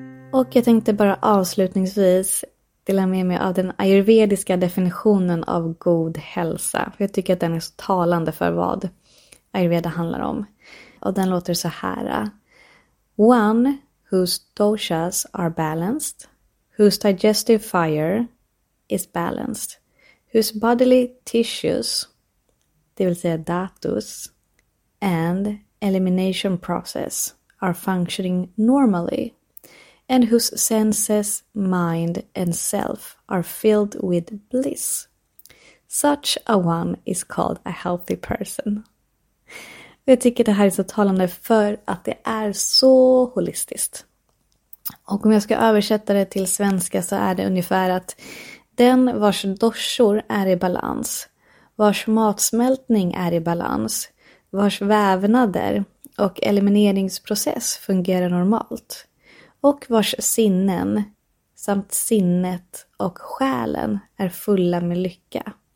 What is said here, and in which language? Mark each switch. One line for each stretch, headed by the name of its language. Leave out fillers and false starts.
Swedish: Och jag tänkte bara avslutningsvis dela med mig av den ayurvediska definitionen av god hälsa. För jag tycker att den är så talande för vad ayurveda handlar om. Och den låter så här.
English: One whose doshas are balanced, whose digestive fire is balanced, whose bodily tissues,
Swedish: det vill säga datus,
English: and elimination process are functioning normally, and whose senses, mind and self are filled with bliss. Such a one is called a healthy person.
Swedish: Jag tycker det här är så talande för att det är så holistiskt. Och om jag ska översätta det till svenska så är det ungefär att den vars doshor är i balans, vars matsmältning är i balans, vars vävnader och elimineringsprocess fungerar normalt och vars sinnen samt sinnet och själen är fulla med lycka.